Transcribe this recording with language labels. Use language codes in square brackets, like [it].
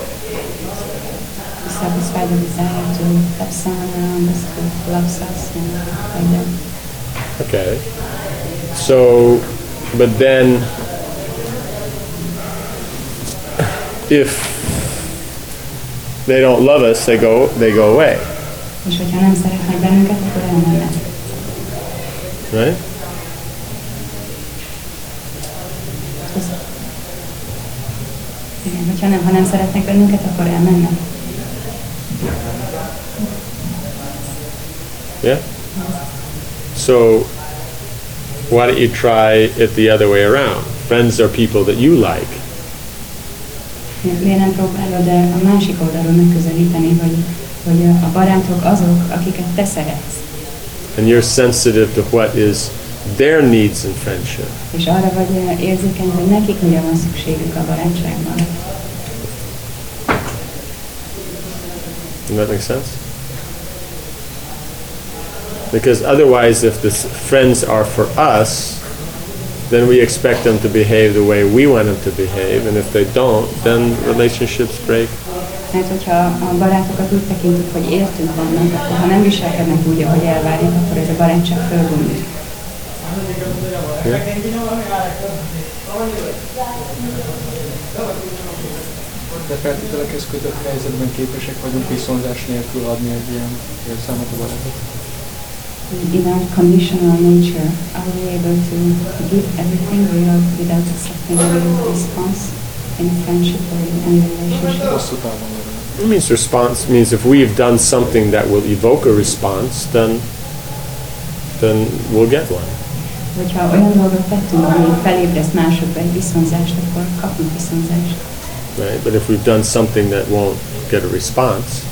[en] Satisfy the desire to have someone around us who loves us and like that. Okay. So, but then, if they don't love us, they go away. [hu] És hogyha nem szeretnek bennünket, akkor elmennek. [en] Right? [hu] Ha nem szeretnek bennünket, akkor elmennek. [en] Yeah? So, why don't you try it the other way around? Friends are people that you like. [hu] Miért nem próbálod a másik oldalról megközelíteni, hogy a barátok azok, akiket te szeretsz. [en] And you're sensitive to what is their needs in friendship. [hu] És arra vagy érzékeny, hogy nekik mire van szükségük a barátságban. [en] Does that make sense? Because otherwise, if the friends are for us, then we expect them to behave the way we want them to behave, and if they don't, then relationships break. [hu] Hát, hogyha a barátokat úgy tekintjük, hogy értünk vannak, akkor ha nem viselkednek úgy, ahogy elvárjuk, akkor ez a barátság fölbomlik. De feltételekhez kötött helyzetben képesek vagyunk viszonzás nélkül adni egy ilyen érzelmet a barátot. [en] In our conditional nature, are we able to give everything we love without accepting a little response in friendship or in any relationship? [hu] Hosszú távon arra. [en] It means response means if we've done something that will evoke a response, then we'll get one. [hu] Hogyha olyan dolgot tettünk, ami felébreszt másokba egy viszonzást, akkor kapunk viszonzást. [en] Right, but if we've done something that won't get a response,